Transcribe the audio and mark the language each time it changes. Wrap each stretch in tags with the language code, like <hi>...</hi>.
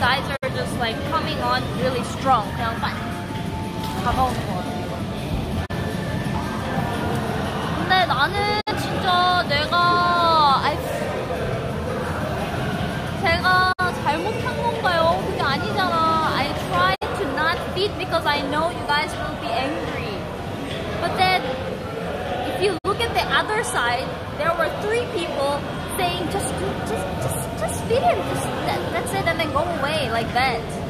<en>guys are just like coming on really strong.</en> <ko>그냥 딱 다가오는 거 같아. 근데 나는 진짜 내가 제가 잘못한 건가요? 그게 아니잖아.</ko> <en>I try to not beat because I know you guys will be angry. But then if you look at the other side, there were three people saying just beat him, that's it, and then go away like that.</en>